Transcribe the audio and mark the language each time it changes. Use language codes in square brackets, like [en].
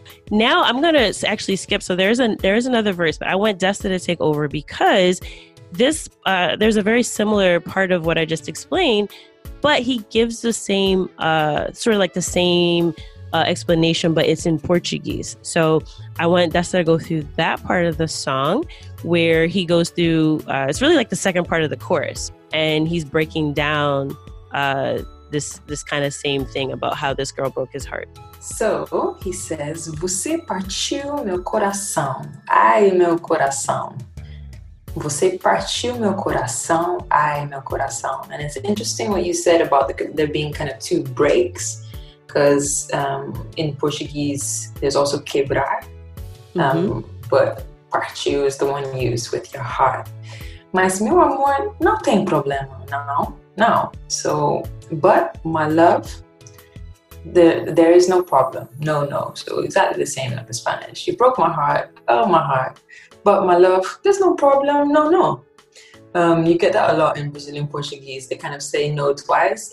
[en] Now I'm gonna actually skip. So there is another verse, but I want Destin to take over because this there's a very similar part of what I just explained, but he gives the same sort of like the same explanation, but it's in Portuguese. So I want Destin to go through that part of the song where he goes through. It's really like the second part of the chorus, and he's breaking down this kind of same thing about how this girl broke his heart. So he says, [pt] você partiu meu coração. Ai, meu coração. Você partiu meu coração. Ai, meu coração. [en] And it's interesting what you said about there being kind of two breaks, because in Portuguese, there's also quebrar. Mm-hmm. But partiu is the one used with your heart. [pt] Mas, meu amor, não tem problema, não. [en] No. So, but my love, there is no problem. No, no. So exactly the same like the Spanish. You broke my heart. Oh, my heart. But my love, there's no problem. No, no. You get that a lot in Brazilian Portuguese. They kind of say no twice.